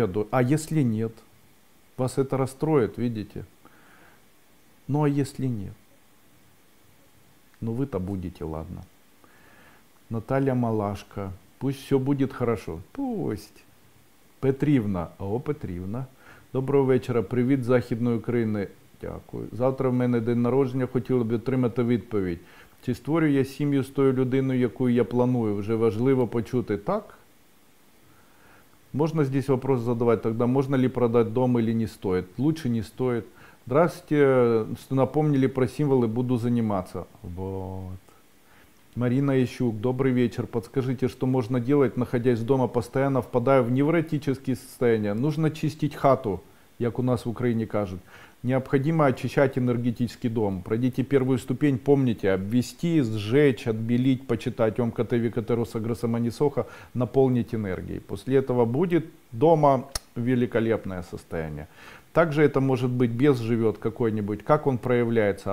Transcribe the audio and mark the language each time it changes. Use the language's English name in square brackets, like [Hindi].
[Russian] А если нет? Вас это расстроит, видите? Ну а если нет? Ну вы-то будете, ладно. Наталья Малашко, пусть все будет хорошо. Пусть. Петрівна, о, Петрівна. [Ukrainian] Доброго вечора, привіт Західної України. Дякую. Завтра в мене день народження, хотіла б отримати відповідь. Чи створю я сім'ю з тою людиною, яку я планую? Вже важливо почути, так? [Russian] Можна здесь вопрос задавати, тогда можна ли продати дом или не стоит? Лучше не стоит. Здравствуйте, что напомнили про символи, буду заниматься. Вот. [Ukrainian] Марина Ящук, добрий вечір. [Russian] Подскажите, что можна делать, находясь дома, постоянно впадаю в невротические состояния. Нужно чистить хату, [Ukrainian] як у нас в Україні кажуть. [Russian] Необходимо очищать энергетический дом. Пройдите первую ступень, помните, обвести, сжечь, отбелить, почитать Ом Катеви Катеруса Грасаманисоха, наполнить энергией. После этого будет дома великолепное состояние. Также это может быть бес живет какой-нибудь, как он проявляется.